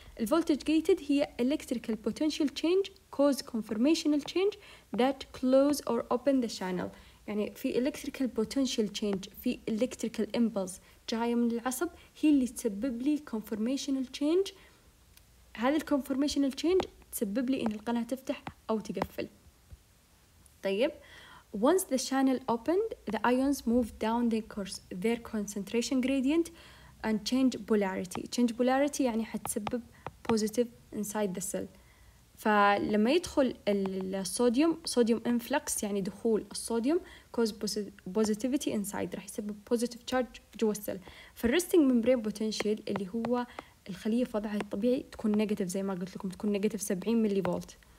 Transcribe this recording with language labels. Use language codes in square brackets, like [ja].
[ar] الفولتج جيتد هي [en] electrical potential change cause conformational change that close or open the channel. [ar] يعني في [en] electrical potential change, [ar] في [en] electrical impulse [ar] جاية من العصب, هي اللي تسبب لي [en] conformational change. [ar] هذا [en] conformational change [ar] تسبب لي إن القناة تفتح أو تقفل. [en] طيب once the channel opened, the ions move down their course, their concentration gradient and change polarity. change polarity [ar] يعني حتسبب [en] positive inside the cell. [ar] فلما يدخل الصوديوم, صوديوم influx يعني دخول الصوديوم [en] cause positivity inside, [ar] راح يسبب [en] positive charge [ar] جوا السل. فال [en] resting membrane potential [ar] اللي هو الخلية في وضعها الطبيعي تكون negative, زي ما قلت لكم تكون negative 70 ملي فولت.